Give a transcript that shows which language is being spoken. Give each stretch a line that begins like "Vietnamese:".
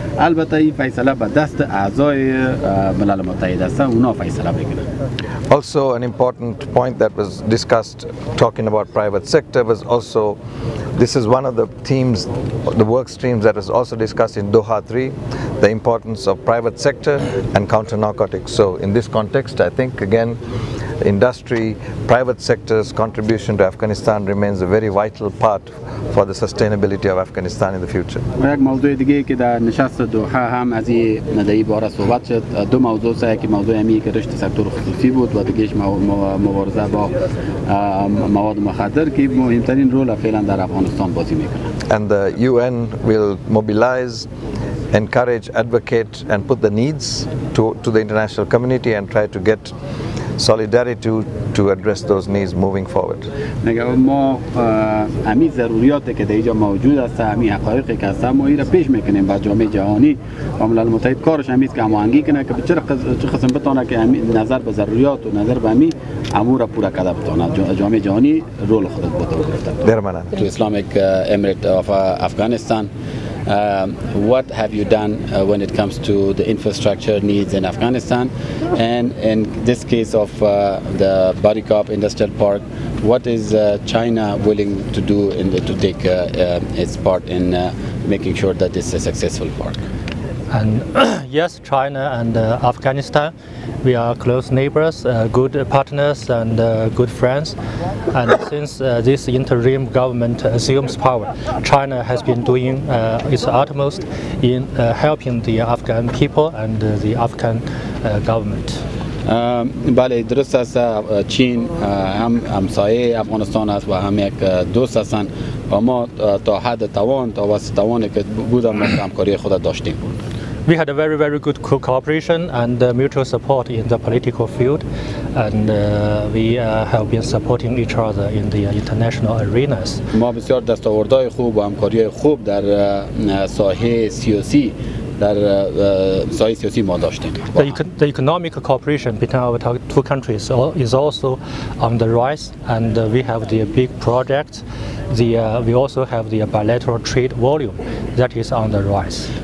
Persian: البته این فیصله به دست اعضای ملل متحد است اونا فیصله میکنند.
English: Also an important point that was discussed talking about private sector was also this is one of the themes, the work streams that was also discussed in Doha 3, the importance of private sector and counter narcotics. So in this context I think again industry, private sector's contribution to Afghanistan remains a very vital part for the sustainability of Afghanistan in the future.
Persian: یک موضوع دیگه که در نشست دوحه هم از این باره صحبت شد، دو موضوع سه که موضوع امی که رشد سکتور خصوصی بود و دیگهش مبارزه با مواد مخدر که مهمترین رول فعلا در افغانستان بازی میکنه.
English: And the UN will mobilize, encourage, advocate and put the needs to the international community and try to get solidarity to address those needs moving forward.
Persian: ما ضروریاتی که در اینجا موجود است، همی حقایقی که هست، ما این را پیش میکنیم با جامعه جهانی و ملل متحد کارش همیست که هماهنگی کنه که بچه چه قسم بتانه که نظر به ضروریات و نظر به همی امور را پورا کده بتانه جامعه جهانی رول خود را بتانه گرفته درمانه
English: تو Islamic emirate of Afghanistan. What have you done when it comes to the infrastructure needs in Afghanistan, and in this case of the Barikop Industrial Park, what is China willing to do in the, to take its part in making sure that it's a successful park? And yes, China and Afghanistan, we are close neighbors, good partners and good friends. And since this interim government assumes power, China has been doing its utmost in helping the Afghan people and the Afghan government.
Persian: بله درست است، چین هم همسایه افغانستان است و هم یک دوست هستند و ما تا حد توان تا وسط توانی که بودم همکاری خود داشتیم.
English: We had a very, very good cooperation and mutual support in the political field, and we have been supporting each other in the international arenas.
Persian: ما بسیار دستاوردهای خوب و همکاری خوب در سایه سیاسی ما داشتیم.
English: The economic cooperation between our two countries is also on the rise, and we have the big project. We also have the bilateral trade volume that is on the rise.